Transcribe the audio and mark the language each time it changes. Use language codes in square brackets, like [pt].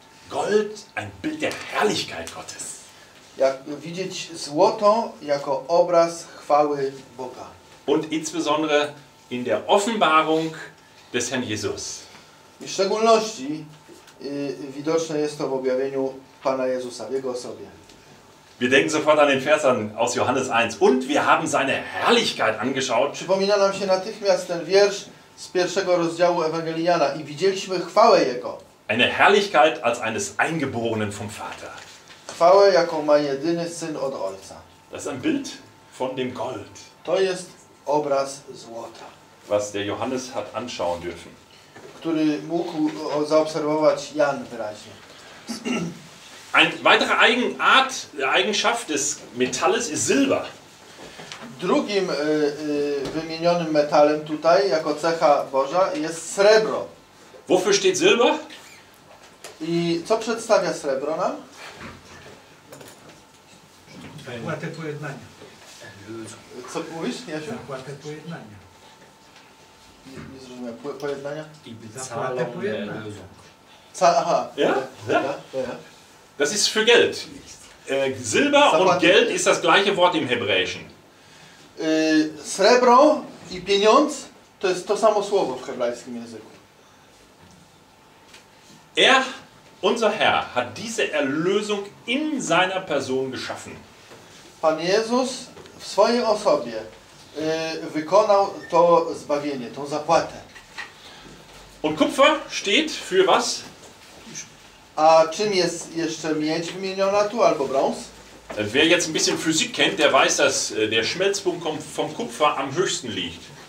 [de] Gold, ein Bild der Herrlichkeit Gottes. [pl] Jak widzieć złoto jako obraz chwały Boga. [de] Und insbesondere in der Offenbarung des Herrn Jesus. [pl] I w szczególności widoczne jest to w objawieniu Pana Jezusa, w Jego osobie. [de] Wir denken sofort an den Vers aus Johannes 1. Und wir haben seine Herrlichkeit angeschaut. [pl] Przypomina nam się natychmiast ten wiersz z pierwszego rozdziału Ewangelii Jana. I widzieliśmy chwałę Jego. [de] Eine Herrlichkeit als eines Eingeborenen vom Vater. [pl] Chwałę, jaką ma jedyny Syn od Ojca. [de] Das ist ein Bild von dem Gold. [pl] To jest obraz złota, [de] was der Johannes hat anschauen dürfen, [pl] który mógł zaobserwować Jan wyraźnie. [de] Eine weitere Eigenschaft des Metalles ist Silber. [pl] Drugim wymienionym metalem tutaj jako cecha Boża jest srebro. [de] Wofür steht Silber? [pl] I co przedstawia srebro nam? Łatę pojednania. Co mówisz, Jasiu? Zapłatę pojednania. Nie zrozumiałem. Pojednania? Zapłatę pojednania. Aha. [de] Ja? Das ist für Geld. Silber und Geld ist das gleiche Wort im Hebräischen. [pl] Srebro i pieniądz to jest to samo słowo w hebrajskim języku. [de] Er, unser Herr, hat diese Erlösung in seiner Person geschaffen. [pl] Pan Jezus w swojej osobie wykonał to zbawienie, tą zapłatę. [de] Und Kupfer steht für was? [pl] A czym jest jeszcze miedź wymieniona tu, albo brąz? [de] Wer jetzt ein bisschen Physik kennt, der weiß, dass der Schmelzpunkt vom Kupfer am höchsten liegt.